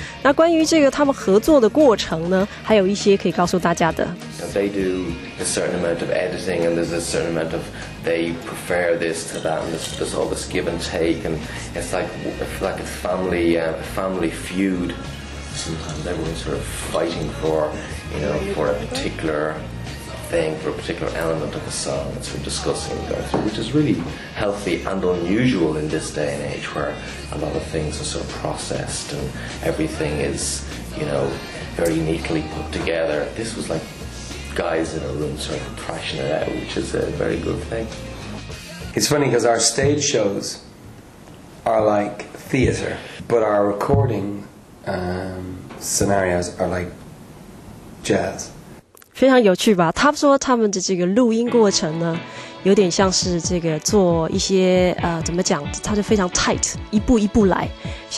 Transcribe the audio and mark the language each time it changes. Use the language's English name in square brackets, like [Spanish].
[Chinese] 那关于这个他们合作的过程呢，还有一些可以告诉大家的。 [English] They do a certain amount of editing and there's a certain amount of they prefer this to that and there's all this give and take and it's like a family feud. Sometimes everyone's sort of fighting for, you know, for a particular thing, for a particular element of a song that we're discussing and going through, which is really healthy and unusual in this day and age where a lot of things are sort of processed and everything is, you know, very neatly put together. This was like guys in a room sort of thrashing it out, which is a very good thing. It's funny because our stage shows are like theater, but our recording scenarios are like jazz. [Chinese] 非常有趣吧？他说他们的这个录音过程呢，有点像是这个做一些怎么讲？他就非常 tight， 一步一步来。像